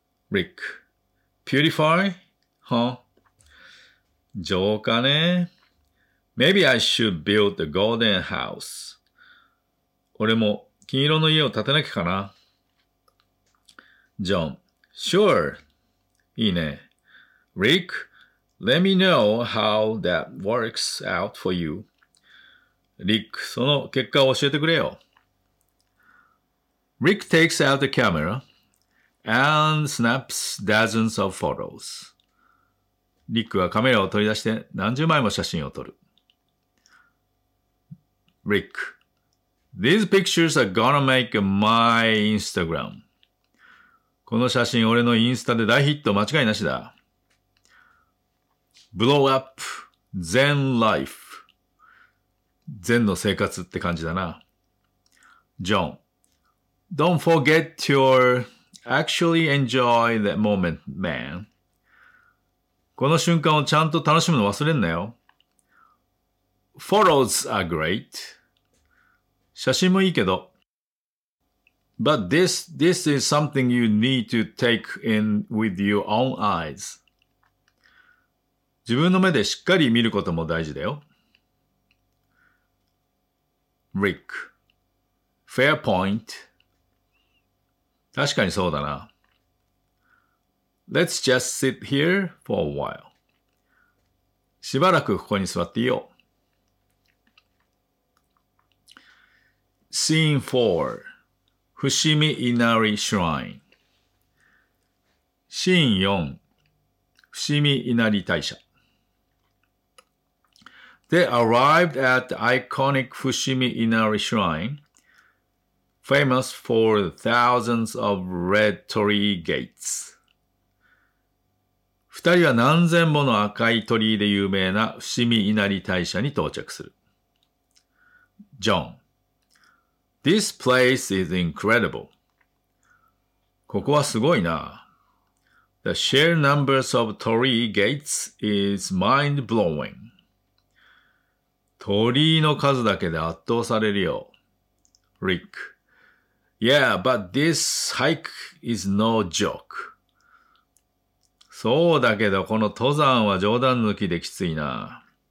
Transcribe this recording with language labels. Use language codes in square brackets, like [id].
[en] Rick, purify? Huh? [ja] 浄化ね。 [en] Maybe I should build a golden house. [ja] 俺も金色の家を建てなきゃかな。 [en] John, sure. [ja] いいね。 [en] Rick, let me know how that works out for you. [ja] Rick, その結果を教えてくれよ。 [en] Rick takes out the camera and snaps dozens of photos. [ja] Rick はカメラを取り出して何十枚も写真を撮る。 [en] Rick, these pictures are gonna make my Instagram. [ja] この写真俺のインスタで大ヒット間違いなしだ。 [en] Blow up Zen life. [ja] 禅の生活って感じだな。 [en] John, don't forget to actually enjoy that moment, man. [ja] この瞬間をちゃんと楽しむの忘れんなよ。 [en] Photos are great. [ja] 写真もいいけど。 [en] But this is something you need to take in with your own eyes. [ja] 自分の目でしっかり見ることも大事だよ。 [en] Rick, fair point. [ja] 確かにそうだな。 [en] Let's just sit here for a while. [ja] しばらくここに座っていよう。 [en] Scene 4. 伏見稲荷 Shrine [ja] シーン4伏見稲荷大社 [en] They arrived at the iconic 伏見稲荷 Shrine famous for thousands of red tree gates [ja] 二人は何千もの赤い鳥居で有名な伏見稲荷大社に到着する。 [en] JohnThis place is incredible. [ja] ここはすごいな。 [en] The sheer numbers of 鳥居 gates is mind-blowing. [ja] 鳥居の数だけで圧倒されるよ。 [en] Rick. Yeah, but this hike is no joke. [ja] そうだけど、この登山は冗談抜きできついな。